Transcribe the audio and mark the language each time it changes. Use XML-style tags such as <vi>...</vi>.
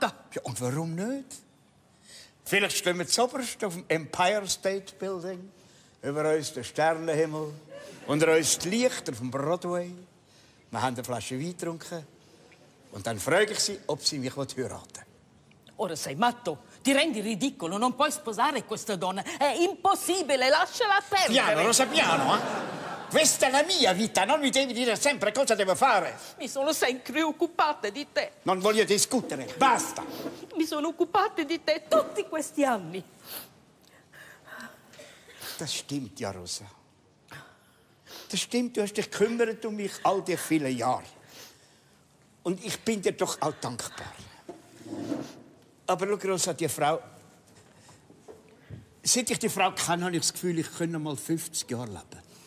<de>Ja, und warum nicht? Vielleicht stehen wir zuoberst auf dem Empire State Building, über uns den Sternenhimmel, unter uns die Lichter vom Broadway. Wir haben eine Flasche Wein getrunken. Und dann frage ich sie, ob sie mich heiraten will.</de> <it>Ora sei matto. Ti rendi ridicolo. Non puoi sposare questa donna. È impossibile. Lasciala perdere. Piano, lo sappiamo, eh? Questa è la mia vita, non mi devi dire sempre cosa devo fare. Mi sono sempre occupata di te. Non voglio discutere, basta. Mi sono occupata di te tutti questi anni.</it> <de>Das stimmt ja, Rosa. Das stimmt, du hast dich kümmert um mich all die vielen Jahre. Und ich bin dir doch auch dankbar. Aber schau, Rosa, die Frau... Seit ich die Frau kenne, habe ich das Gefühl, ich könnte mal 50 Jahre leben.</de>